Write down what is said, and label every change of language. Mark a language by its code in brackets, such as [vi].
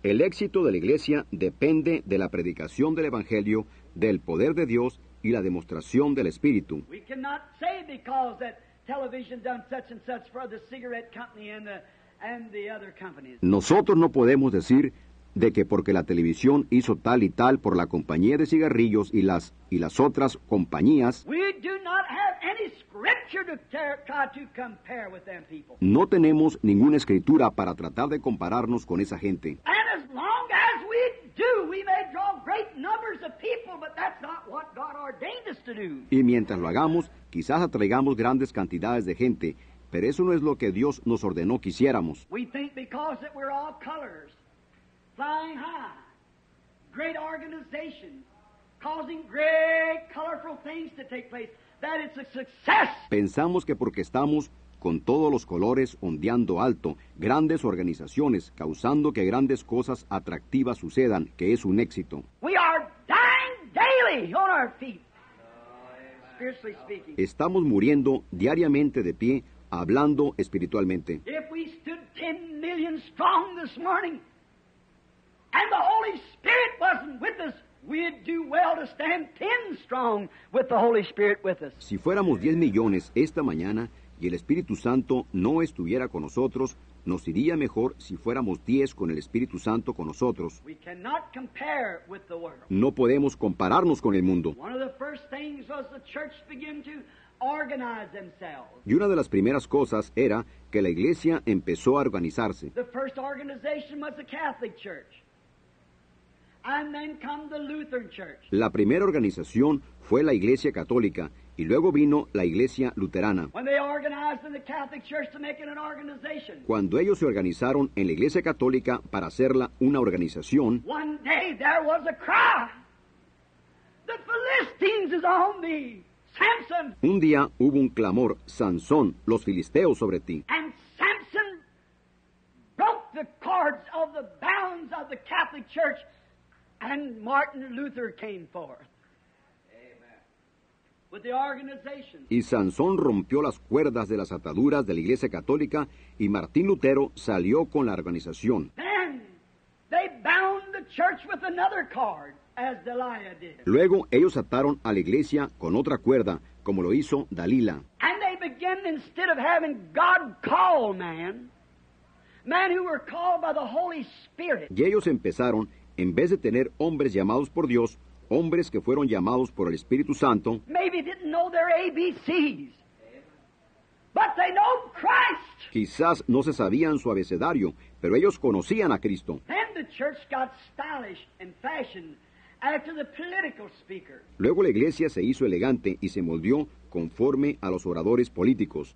[es] El éxito de la iglesia depende de la predicación del evangelio, del poder de Dios y la demostración del Espíritu. [en] We cannot say because that television done such and such for the cigarette company and the other companies. [es] Nosotros no podemos decir de que porque la televisión hizo tal y tal por la compañía de cigarrillos y las otras compañías, [en] we do not have any scripture to try to compare with them people. [es] No tenemos ninguna escritura para tratar de compararnos con esa gente. [en] And as long as we do, we may draw great numbers of people, but that's not what God ordained us to do. [es] Y mientras lo hagamos, quizás atraigamos grandes cantidades de gente, pero eso no es lo que Dios nos ordenó que hiciéramos. [en] We think because that we're all colors, flying high, great organization, causing great colorful things to take place, that it's a success. [es] Pensamos que porque estamos con todos los colores ondeando alto, grandes organizaciones, causando que grandes cosas atractivas sucedan, que es un éxito. [en] We are dying daily on our feet. [es] Estamos muriendo diariamente de pie, hablando espiritualmente. [en] If we stood 10 million strong this morning, and the Holy Spirit wasn't with us, we'd do well to stand 10 strong with the Holy Spirit with us. [es] Si fuéramos 10 millones esta mañana y el Espíritu Santo no estuviera con nosotros, nos iría mejor si fuéramos 10 con el Espíritu Santo con nosotros. [en] We cannot compare with the world. [es] No podemos compararnos con el mundo. [en] One of the first things was the church began to organize themselves. [es] Y una de las primeras cosas era que la iglesia empezó a organizarse. [en] The first organization was the Catholic Church. And then come the Lutheran Church. [es] La primera organización fue la Iglesia Católica, y luego vino la Iglesia Luterana. [en] When they organized in the Catholic Church to make it an organization. [es] Cuando ellos se organizaron en la Iglesia Católica para hacerla una organización, [en] one day there was a cry. The Philistines is on me, Samson. [es] Un día hubo un clamor, Sansón, los filisteos sobre ti. [en] And Samson broke the cords of the bounds of the Catholic Church. And Martin Luther came forth with the organization. [es] Y Sansón rompió las cuerdas de las ataduras de la Iglesia Católica, y Martín Lutero salió con la organización. [en] Then they bound the church with another cord, as Delilah did. [es] Luego ellos ataron a la iglesia con otra cuerda, como lo hizo Dalila. [en] And they began, instead of having God call man who were called by the Holy Spirit. [es] Y ellos empezaron, en vez de tener hombres llamados por Dios, hombres que fueron llamados por el Espíritu Santo, [en] maybe didn't know their ABCs, but they know Christ. [es] Quizás no se sabían su abecedario, pero ellos conocían a Cristo. [en] Then the church got stylish and fashioned after the political speaker. [es] Luego la iglesia se hizo elegante y se moldeó conforme a los oradores políticos.